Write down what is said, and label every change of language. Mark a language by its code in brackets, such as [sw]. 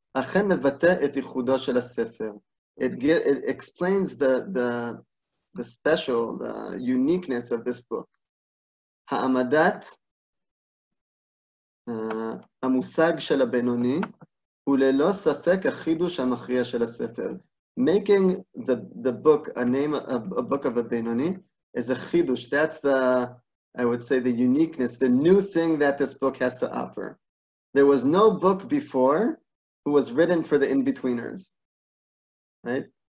[he] אכן מבטא את ייחודו של הספר. [en] It explains the special, the uniqueness of this book. [he] העמדת המושג של הבינוני הוא ללא ספק החידוש המכריע של הספר. [en] Making the book a name a book of a Beinoni is a chidush. That's the, I would say, the uniqueness, the new thing that this book has to offer. There was no book before who was written for the in-betweeners, right?